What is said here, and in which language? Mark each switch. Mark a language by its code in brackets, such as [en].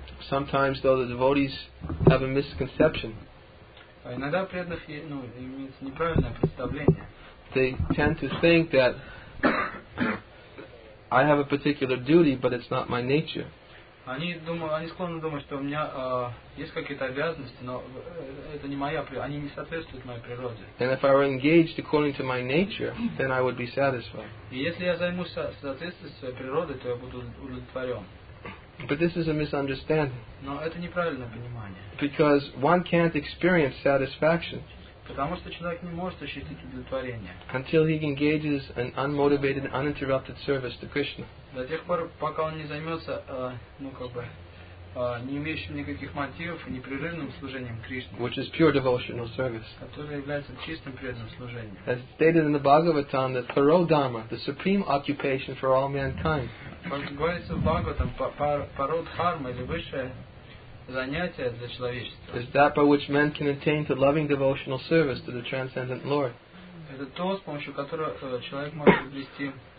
[en] Sometimes, though, the devotees have a misconception. They tend to think that I have a particular duty, but it's not my nature. [ru] Они склонны думать, что у меня есть какие-то обязанности, но это не моя, они не соответствуют моей природе. [en] And if I were engaged according to my nature, then I would be satisfied. [ru] И если я займусь соответствием своей природы, то я буду удовлетворен. [en] But this is a misunderstanding. [ru] Но это неправильное понимание. [en] Because one can't experience satisfaction. [ru] Потому что человек не может ощутить удовлетворение. [en] Until he engages in unmotivated, uninterrupted service to Krishna. [ru] До тех пор, пока он не займется, не имеющим никаких мотивов и непрерывным служением Кришне. [en] Which is pure devotional service. [ru] Которое является чистым преданным служением. [en] As stated in the Bhagavatam, that paro dharma, the supreme occupation for all mankind. [ru] Говорится в Бхагаватам, паро дхарма или высшее занятие для человечества. [en] Is that by which men can attain to loving devotional service to the transcendent Lord? [ru] Это то, с помощью которого человек может обрести